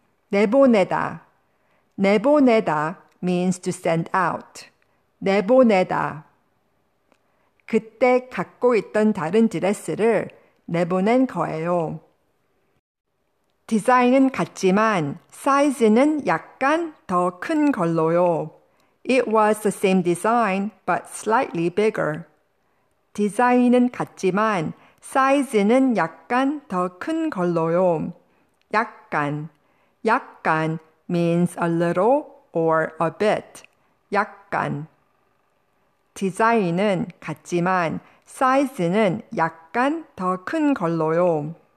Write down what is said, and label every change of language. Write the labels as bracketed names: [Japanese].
[English] 내보내다. 내보내다 means to send out. [Korean] 내보내다. 그때 갖고 있던 다른 드레스를 내보낸 거예요. 디자인은 같지만 사이즈는 약간 더 큰 걸로요. [English] It was the same design but slightly bigger. [Korean] 디자인은 같지만 사이즈는 약간 더 큰 걸로요. [English] 약간, 약간 means a little or a bit. 약간. [Korean] 디자인은 같지만 사이즈는 약간 더 큰 걸로요.